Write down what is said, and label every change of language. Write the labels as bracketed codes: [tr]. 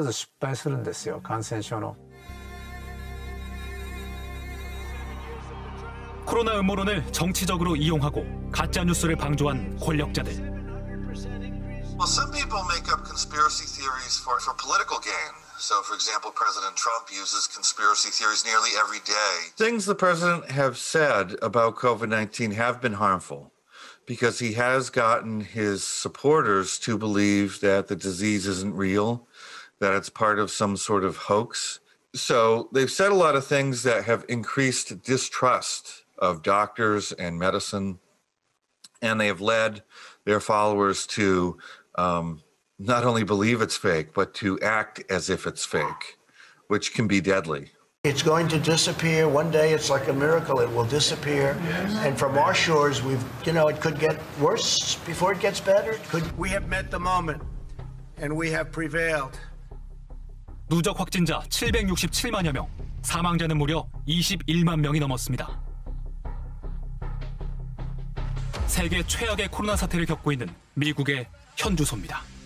[ja] 私はずっといろんなところで今の政府の政策の失敗を言ってますけども、さっき言った検査と隔離っていうことと情報公開っていうのが感染症の基本原則なんですよ。で、それをやってないんですね。で、未だやってないっていう。だからね、情報を隠匿すれば必ず失敗するんですよ、感染症の。 [ko] 코로나 음모론을 정치적으로 이용하고 가짜 뉴스를 방조한 권력자들. [en] Well, some people make up conspiracy theories for political gain. So, for example, President Trump uses conspiracy theories nearly every day. Things the president have said about COVID-19 have been harmful because he has gotten his supporters to believe that the disease isn't real, that it's part of some sort of hoax. So, they've said a lot of things that have increased distrust of doctors and medicine, and they have led their followers to not only believe it's fake, but to act as if it's fake, which can be deadly. It's going to disappear. One day it's like a miracle, it will disappear. Yes. And from our shores, it could get worse before it gets better. We have met the moment, and we have prevailed. [ko] 누적 확진자 767만여 명, 사망자는 무려 21만 명이 넘었습니다. 세계 최악의 코로나 사태를 겪고 있는 미국의 현주소입니다.